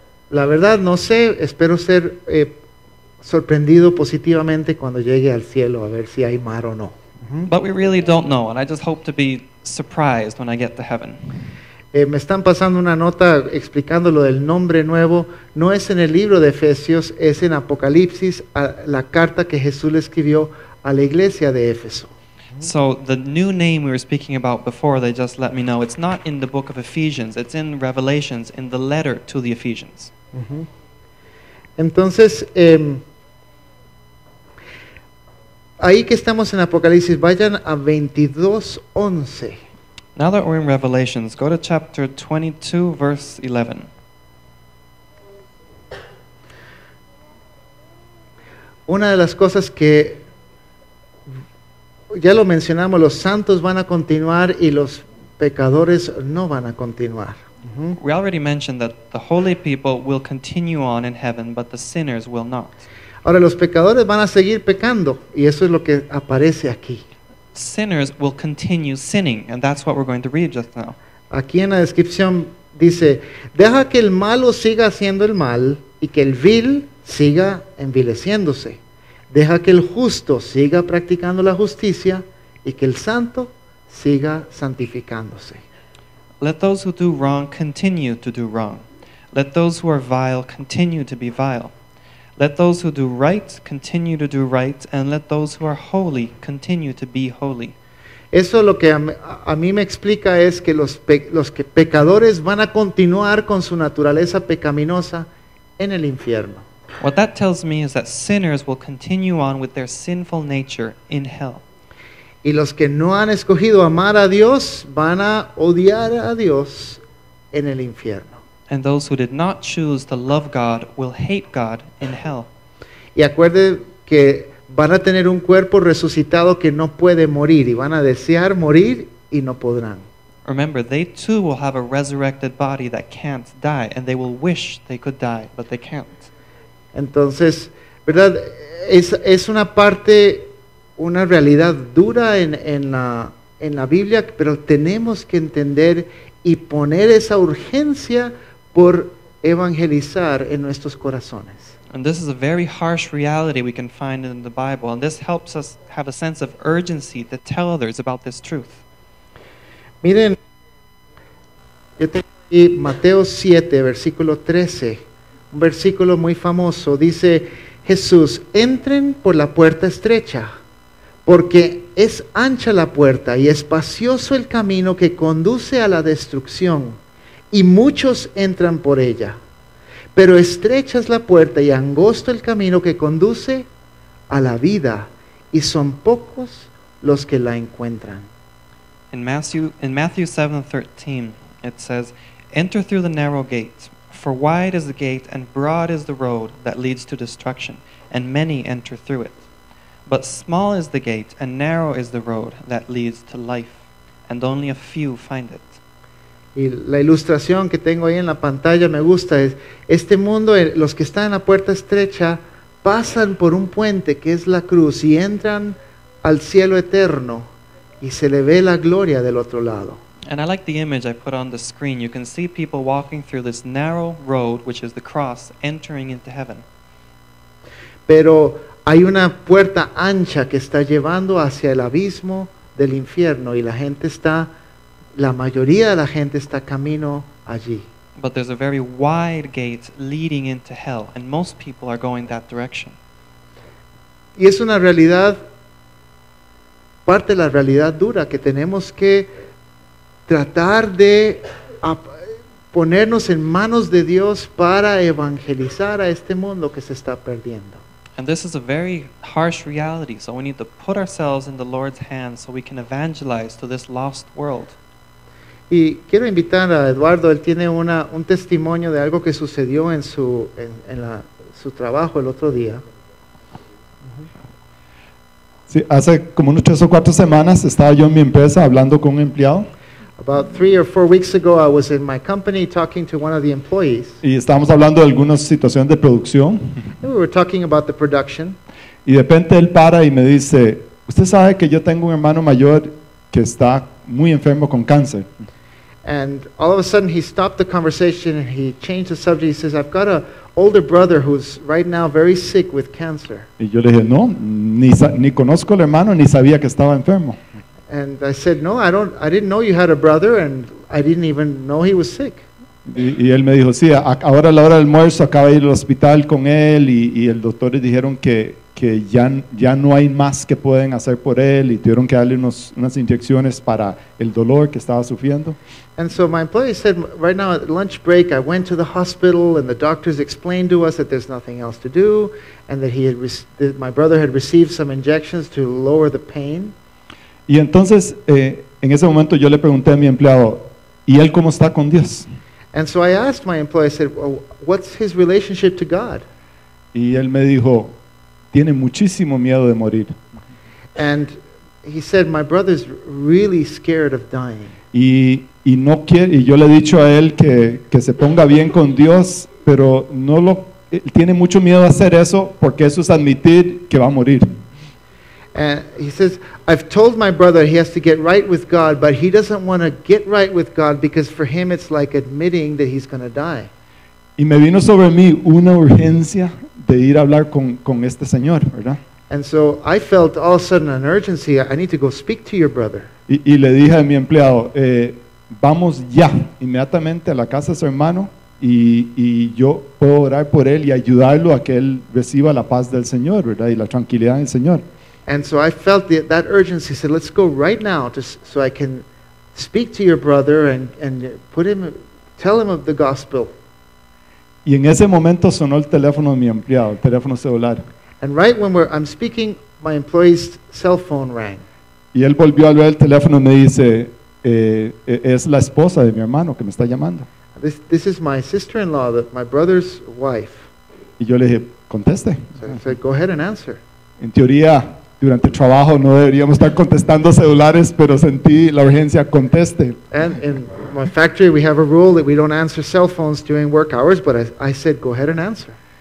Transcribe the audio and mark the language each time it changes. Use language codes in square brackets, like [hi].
[es] La verdad no sé, espero ser sorprendido positivamente cuando llegue al cielo a ver si hay mar o no. [en] But we really don't know, and I just hope to be surprised when I get to heaven. [es] Me están pasando una nota explicando lo del nombre nuevo. No es en el libro de Efesios, es en Apocalipsis, la carta que Jesús le escribió a la iglesia de Éfeso. [en] So the new name we were speaking about before, they just let me know, it's not in the book of Ephesians, it's in Revelations, in the letter to the Ephesians. [es] Entonces, ahí que estamos en Apocalipsis, vayan a 22:11. [en] Now that we're in Revelations, go to chapter 22, verse 11. [es] Una de las cosas que ya lo mencionamos, los santos van a continuar y los pecadores no van a continuar. [en] We already mentioned that the holy people will continue on in heaven, but the sinners will not. [es] Ahora los pecadores van a seguir pecando y eso es lo que aparece aquí. [en] Sinners will continue sinning, and that's what we're going to read just now. [es] Aquí en la descripción dice, deja que el malo siga haciendo el mal y que el vil siga envileciéndose. Deja que el justo siga practicando la justicia y que el santo siga santificándose. [en] Let those who do wrong continue to do wrong. Let those who are vile continue to be vile. Let those who do right continue to do right, and let those who are holy continue to be holy. [es] Eso lo que a mí me explica es que los pecadores van a continuar con su naturaleza pecaminosa en el infierno. [en] What that tells me is that sinners will continue on with their sinful nature in hell. [es] Y los que no han escogido amar a Dios van a odiar a Dios en el infierno. [en] And those who did not choose to love God will hate God in hell. [es] Y acuerde que van a tener un cuerpo resucitado que no puede morir y van a desear morir y no podrán. [en] Remember, they too will have a resurrected body that can't die, and they will wish they could die, but they can't. [es] Entonces, ¿verdad? Es una parte, una realidad dura en la Biblia, pero tenemos que entender y poner esa urgencia por evangelizar en nuestros corazones. [en] And this is a very harsh reality we can find in the Bible, and this helps us have a sense of urgency to tell others about this truth. [es] Miren, yo tengo aquí Mateo 7, versículo 13, un versículo muy famoso. Dice Jesús, entren por la puerta estrecha, porque es ancha la puerta y espacioso el camino que conduce a la destrucción. Y muchos entran por ella, pero estrecha es la puerta y angosto el camino que conduce a la vida, y son pocos los que la encuentran. [en] In Matthew 7:13, it says, enter through the narrow gate, for wide is the gate and broad is the road that leads to destruction, and many enter through it. But small is the gate and narrow is the road that leads to life, and only a few find it. [es] Y la ilustración que tengo ahí en la pantalla me gusta, es este mundo, los que están en la puerta estrecha pasan por un puente que es la cruz y entran al cielo eterno y se le ve la gloria del otro lado. [en] And I like the image I put on the screen. You can see people walking through this narrow road, which is the cross, entering into heaven. [es] Pero hay una puerta ancha que está llevando hacia el abismo del infierno y la gente está, la mayoría de la gente está camino allí. [en] But there's a very wide gate leading into hell, and most people are going that direction. [es] Y es una realidad, parte de la realidad dura que tenemos que tratar de ponernos en manos de Dios para evangelizar a este mundo que se está perdiendo. [en] And this is a very harsh reality, so we need to put ourselves in the Lord's hands so we can evangelize to this lost world. [es] Y quiero invitar a Eduardo, él tiene un testimonio de algo que sucedió en su su trabajo el otro día. Sí, hace como unos 3 o 4 semanas estaba yo en mi empresa hablando con un empleado. [en] About 3 or 4 weeks ago I was in my company talking to one of the employees. [es] Y estábamos hablando de algunas situaciones de producción. [en] We were talking about the production. [es] Y de repente él para y me dice, "¿Usted sabe que yo tengo un hermano mayor que está muy enfermo con cáncer?" [en] And all of a sudden he stopped the conversation and he changed the subject. He says, "I've got a older brother who's right now very sick with cancer." [es] Y yo le dije, "No, ni conozco al hermano ni sabía que estaba enfermo." [en] And I said, "No, I didn't know you had a brother and I didn't even know he was sick." [es] Y él me dijo, "Sí, ahora a la hora del almuerzo acabo de ir al hospital con él y el doctor le dijeron que ya no hay más que pueden hacer por él y tuvieron que darle unas inyecciones para el dolor que estaba sufriendo." [en] And so my employee said, "Right now at lunch break I went to the hospital and the doctors explained to us that there's nothing else to do and that that my brother had received some injections to lower the pain." [es] Y entonces en ese momento yo le pregunté a mi empleado, "¿Y él cómo está con Dios?" [en] And so I asked my employee, I said, "Well, what's his relationship to God?" [es] Y él me dijo, "Tiene muchísimo miedo de morir." [en] And he said, "My brother's really scared of dying." [es] Y no quiere, y yo le he dicho a él que se ponga bien con Dios, pero no lo él tiene mucho miedo a hacer eso porque eso es admitir que va a morir. [en] And he says, "I've told my brother he has to get right with God, but he doesn't want to get right with God because for him it's like admitting that he's going to die." [es] Y me vino sobre mí una urgencia de ir a hablar con este señor, ¿verdad? [en] And so I felt all of a sudden an urgency. I need to go speak to your brother. [es] Y le dije a mi empleado, "Vamos ya, inmediatamente a la casa de su hermano y yo puedo orar por él y ayudarlo a que él reciba la paz del Señor, ¿verdad? Y la tranquilidad del Señor." [en] And so I felt that urgency. I said, "Let's go right now so I can speak to your brother and put him, tell him of the gospel." [es] Y en ese momento sonó el teléfono de mi empleado, el teléfono celular. [en] And right when I'm speaking, my employee's cell phone rang. [es] Y él volvió a ver el teléfono y me dice, es la esposa de mi hermano que me está llamando. [en] This is my sister-in-law, my brother's wife. [es] Y yo le dije, "Conteste." [en] So I said, "Go ahead and answer." [es] En teoría, durante el trabajo no deberíamos estar contestando celulares, pero sentí la urgencia, "Conteste." [en] And in my factory we have a rule that we don't answer cell phones during work hours, but I said, "Go ahead and answer."